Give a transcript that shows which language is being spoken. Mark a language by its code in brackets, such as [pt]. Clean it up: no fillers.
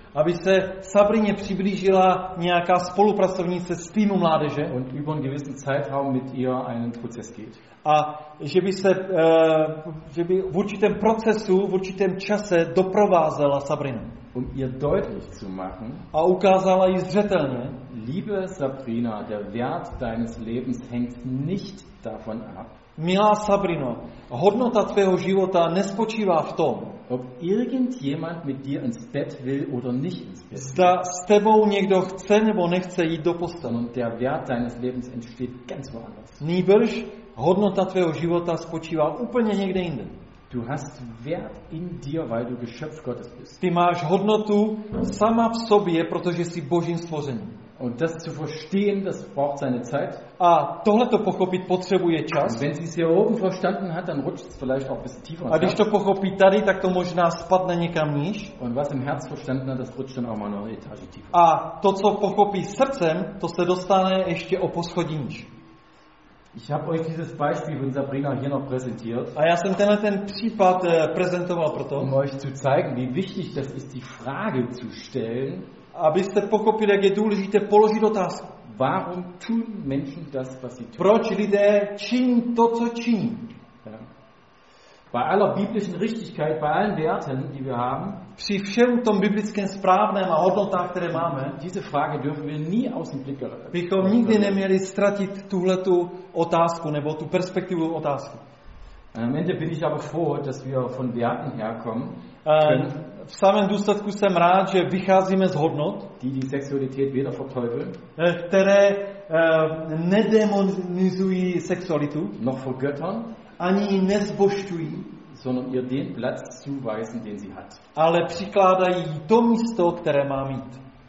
[cs] aby se Sabrině přiblížila nějaká spolupracovnice z týmu mládeže [de] und über einen gewissen Zeitraum mit ihr einen Prozess geht. [cs] A že by v určitém procesu, v určitém čase doprovázela Sabrinu. [de] Um ihr deutlich zu machen, [cs] a ukázala jí zřetelně, [de] liebe Sabrina, der Wert deines Lebens hängt nicht davon ab. [cs] Milá Sabrino, hodnota tvého života nespočívá v tom, [de] ob irgendjemand mit dir ins Bett will oder nicht ins Bett. [cs] Zda s tebou někdo chce nebo nechce jít do postele. [de] Der Wert deines Lebens entsteht ganz woanders. [cs] Nýbrž hodnota tvého života spočívá úplně někde jinde. [de] Du hast Wert in dir, weil du Geschöpf Gottes bist. [cs] Ty máš hodnotu sama v sobě, protože jsi Božím stvořením. [de] Und das zu verstehen, das braucht seine Zeit. [cs] A tohle to pochopit potřebuje čas. [de] Und wenn sie es hier oben verstanden hat, dann rutscht es vielleicht auch ein bisschen tiefer. [cs] A když to pochopí tady, tak to možná spadne někam níž. [de] Und was im Herz verstanden hat, das rutscht dann auch mal noch eine Etage tiefer. [cs] A to, co pochopí srdcem, to se dostane ještě o poschodí níž. [de] Ich habe euch dieses Beispiel von Sabrina hier noch präsentiert. [cs] A já jsem tenhle ten případ prezentoval proto, [de] um euch zu zeigen, wie wichtig das ist, die Frage zu stellen. [cs] Abyste pochopili, jak je důležité položit otázku. [de] Warum tun Menschen das, was sie tun? [cs] Proč lidé činí to, co činí? [de] Ja. Bei aller biblischen Richtigkeit, bei allen Werten, die wir haben, [cs] při všem tom biblickém správném a hodnotách, které máme, [de] diese Frage dürfen wir nie aus dem Blick geraten. [cs] Bychom nikdy neměli ztratit tuhletu otázku nebo tu perspektivu otázky. [de] Am Ende bin ich aber froh, dass wir von Werten herkommen. [cs] V samém důsledku jsem rád, že vycházíme z hodnot, [de] die Sexualität weder verteufeln, [cs] které nedemonizují sexualitu, [de] noch vergöttern, [cs] ani ji nezbožťují, [de] sondern ihr den Platz zuweisen, den sie hat. [cs] Ale přikládají jí to místo, které má mít.